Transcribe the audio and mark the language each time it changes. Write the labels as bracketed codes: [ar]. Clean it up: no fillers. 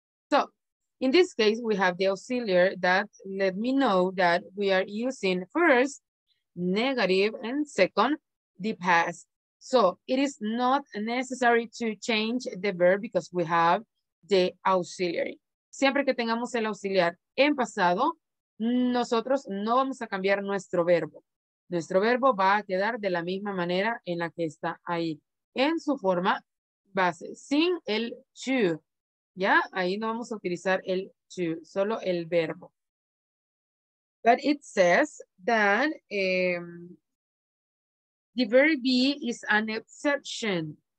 [en] So, in this case, we have the auxiliary that let me know that we are using first negative and second the past. So it is not necessary to change the verb because we have the auxiliary. [es] Siempre que tengamos el auxiliar en pasado, nosotros no vamos a cambiar nuestro verbo. Nuestro verbo va a quedar de la misma manera en la que está ahí, en su forma base, sin el to. Ya, ahí no vamos a utilizar el to, solo el verbo. [en] But it says that the verb be is an exception.